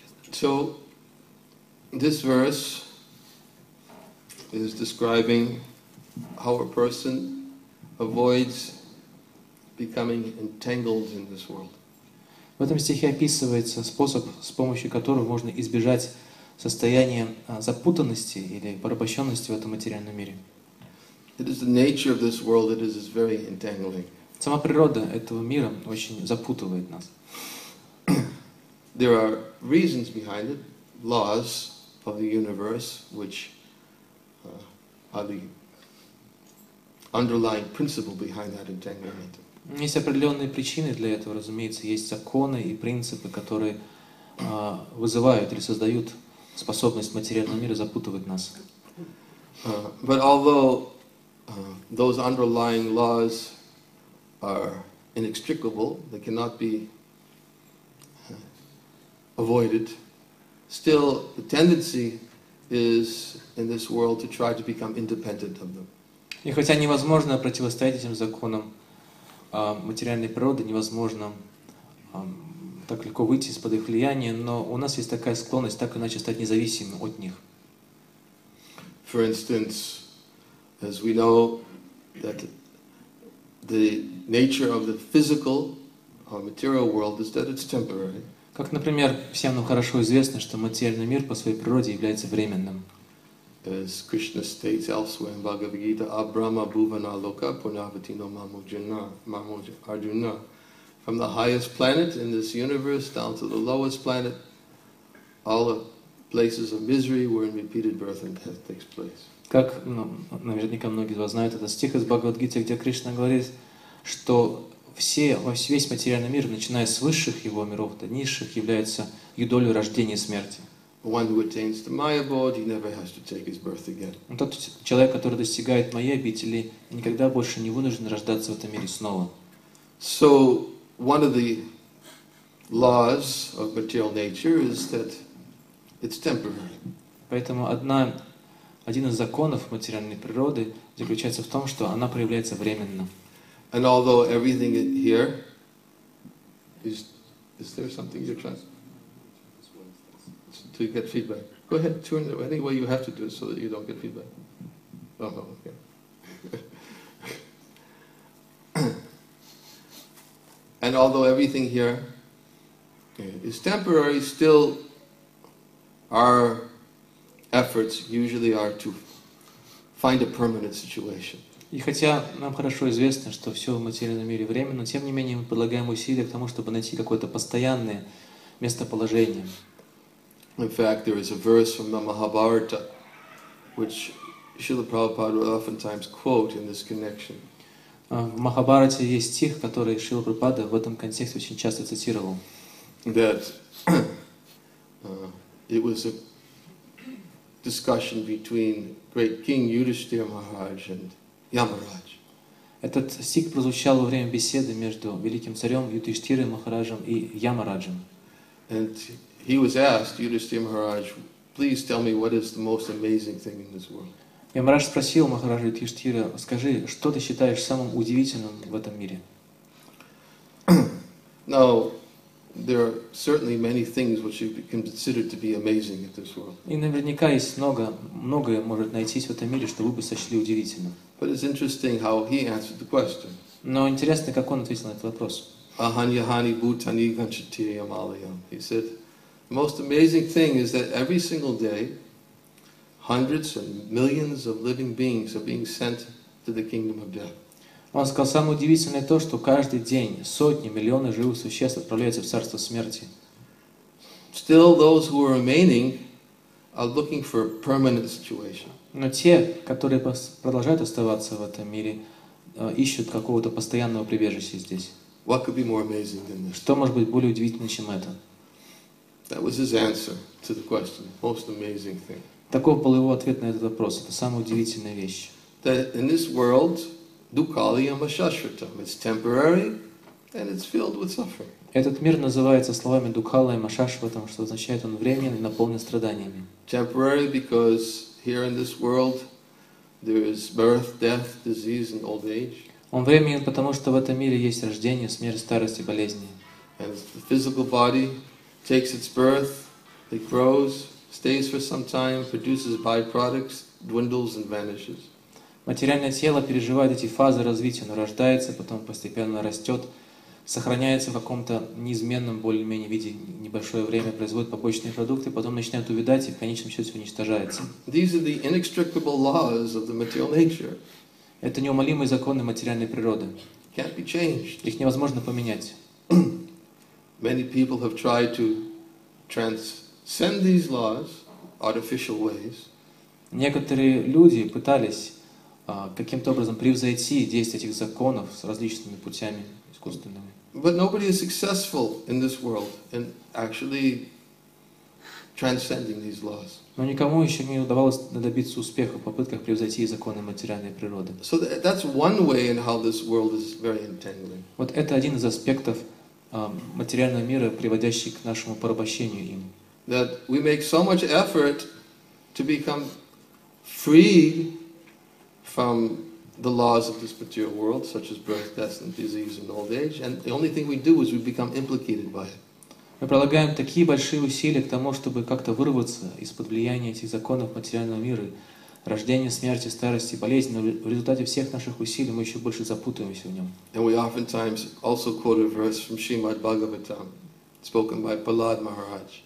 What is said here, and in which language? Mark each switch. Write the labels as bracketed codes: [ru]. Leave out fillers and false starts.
[en] So, this verse is describing how a person avoids becoming entangled in this world. [ru] В этом стихе описывается способ, с помощью которого можно избежать состояния запутанности или порабощенности в этом материальном мире. [en] It is the nature of this world that is very entangling. [ru] Сама природа этого мира очень запутывает нас. [en] There are reasons behind it, laws of the universe, which are the underlying principle behind that entanglement. [ru] Есть определенные причины для этого, разумеется, есть законы и принципы, которые вызывают или создают способность материального мира запутывать нас. [en] But although those underlying laws are inextricable, they cannot be avoided, still the tendency is in this world to try to become independent of them. [ru] И хотя невозможно противостоять этим законам материальной природы, невозможно так легко выйти из-под их влияния, но у нас есть такая склонность так иначе стать независимым от них. [en] For instance, as we know that the nature of the physical or material world is that it's temporary. [ru] Как, например, всем нам хорошо известно, что материальный мир по своей природе является временным. [en] As Krishna states elsewhere in Bhagavad Gita, [sa] Abrahma Bhuvana Loka Punavatino Mamujana, [en] from the highest planet in this universe down to the lowest planet, all the places of misery wherein repeated birth and death takes place. [ru] Как, ну, наверняка многие из вас знают этот стих из Бхагавад Гиты, где Кришна говорит, что все, весь материальный мир, начиная с высших его миров до низших, является юдолью рождения и смерти. [en] One who attains the Maya abode, he never has to take his birth again. [ru] Тот человек, который достигает Майя обители, никогда больше не вынужден рождаться в этом мире снова. [en] So one of the laws of material nature is that it's temporary. [ru] Поэтому один из законов материальной природы заключается в том, что она проявляется временно. [en] And although everything here is there something you're trying to get feedback. Go ahead, turn it any way you have to do it so that you don't get feedback. Oh, okay. And although everything here is temporary, still our efforts usually are to find a permanent situation. [ru] И хотя нам хорошо известно, что все в материальном мире временно, тем не менее мы прилагаем усилия к тому, чтобы найти какое-то постоянное местоположение. [en] In fact, there is a verse from the Mahabharata, which Srila Prabhupada will oftentimes quote in this connection. [ru] В Махабхарате есть стих, который Шрила Прабхупада в этом контексте очень часто цитировал. [en] That it was a discussion between great king Yudhishthira Maharaj and Yamaraj. [ru] Этот стих прозвучал во время беседы между великим царем Юдхиштхирой Махараджем и Ямараджем. [en] And he was asked, Yudhishthira Maharaj, please tell me what is the most amazing thing in this world. [ru] Ямарадж спросил Махараджа Юдхиштхира, скажи, что ты считаешь самым удивительным в этом мире? [en] Now, there are certainly many things which you can consider to be amazing in this world. [ru] И наверняка есть многое может найтись в этом мире, что вы бы сочли удивительным. [en] But it's interesting how he answered the question. [ru] Но интересно, как он ответил на этот вопрос. [sa] Аханьяхани бутани ганчатирьям алиям. [en] He said, the most amazing thing is that every single day, hundreds and millions of living beings are being sent to the kingdom of death. [ru] Он сказал, самое удивительное то, что каждый день сотни, миллионы живых существ отправляются в царство смерти. [en] Still, those who are remaining are looking for a permanent situation. [ru] Но те, которые продолжают оставаться в этом мире, ищут какого-то постоянного прибежища здесь. [en] What could be more amazing than this? [ru] Что может быть более удивительным, чем это? [en] That was his answer to the question, most amazing thing. [ru] Таков был его ответ на этот вопрос. Это самая удивительная вещь. [en] That in this world, [sa] dukkaliyam ashashvatam. [en] It's temporary, and it's filled with suffering. [ru] Этот мир называется словами [sa] dukkaliyam ashashvatam, [ru] что означает он временный и наполнен страданиями. [en] Temporary because here in this world there is birth, death, disease, and old age. [ru] Он временен, потому что в этом мире есть рождение, смерть, старость и болезни. [en] And the physical body takes its birth, it grows, stays for some time, produces byproducts, dwindles and vanishes. [ru] Материальное тело переживает эти фазы развития, оно рождается, потом постепенно растет, сохраняется в каком-то неизменном более-менее виде небольшое время, производит побочные продукты, потом начинает увядать и в конечном счете уничтожается. [en] These are the inextricable laws of the material nature. [ru] Это неумолимые законы материальной природы. [en] Can't be changed. [ru] Их невозможно поменять. [en] Many people have tried to transcend these laws artificial ways. [ru] Некоторые люди пытались каким-то образом превзойти действие этих законов с различными путями искусственными. [en] But nobody is successful in this world in actually transcending these laws. [ru] Но никому еще не удавалось добиться успеха в попытках превзойти законы материальной природы. [en] So that's one way in how this world is very entangling. [ru] Вот это один из аспектов материального мира, приводящий к нашему порабощению им. [en] That we make so much effort to become freed from the laws of this material world, such as birth, death, and disease, and old age, and the only thing we do is we become implicated by it. [ru] Мы прилагаем такие большие усилия к тому, чтобы как-то вырваться из-под влияния этих законов материального мира, рождения, смерти, старости, болезни, но в результате всех наших усилий мы еще больше запутаемся в нем. [en] And we oftentimes also quote a verse from Srimad Bhagavatam, spoken by Prahlad Maharaj.